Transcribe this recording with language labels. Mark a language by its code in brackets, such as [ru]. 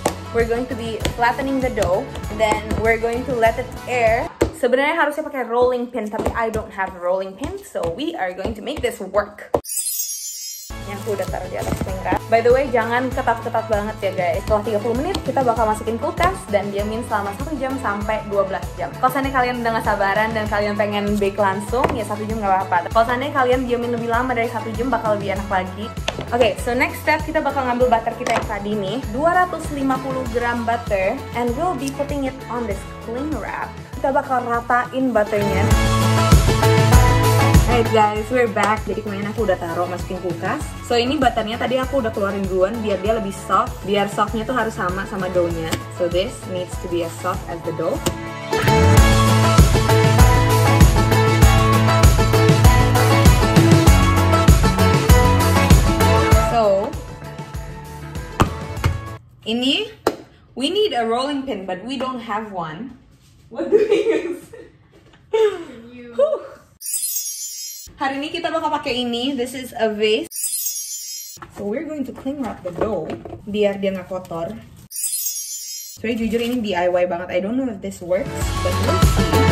[en] We're going to be flattening the dough, then we're going to let it air. [id] Sebenarnya harusnya pakai rolling pin, tapi [en] I don't have rolling pin, so we are going to make this work. [id] Aku udah taruh di atas tingkat. [en] By the way, [id] jangan ketat-ketat banget ya guys. Setelah 30 menit, kita bakal masukin kulkas dan diamin selama 1 jam sampai 12 jam. Kalau seandainya kalian udah gak sabaran dan kalian pengen bake langsung, ya 1 jam gak apa-apa. Kalau seandainya kalian diamin lebih lama dari 1 jam, bakal lebih enak lagi. Oke, [en] okay, so next step, [id] kita bakal ngambil butter kita yang tadi nih. [en] 250 gram butter, and we'll be putting it on this cling wrap. [id] Kita bakal ratain butternya. [en] Hey guys, we're back. [id] Jadi kemarin aku udah taruh masukin kulkas. So ini butternya tadi aku udah keluarin duluan biar dia lebih soft. Biar softnya tuh harus sama sama doughnya. [en] So this needs to be as soft as the dough. So ini we need a rolling pin, but we don't have one. What do we use? [id] Hari ini kita bakal pakai ini. [en] This is a vase. So we're going to cling wrap the dough [id] biar dia nggak kotor. Soalnya jujur ini DIY banget. [en] I don't know if this works, but we'll see.